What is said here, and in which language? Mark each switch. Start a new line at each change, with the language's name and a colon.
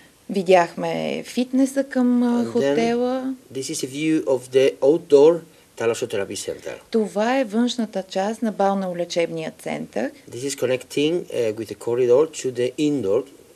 Bulgarian: Видяхме фитнеса към хотела.
English: This is a view of the outdoor Thalassotherapy Center.
Bulgarian: Това е външната част на балнеолечебния център.
English: This is connecting with the corridor to the indoor.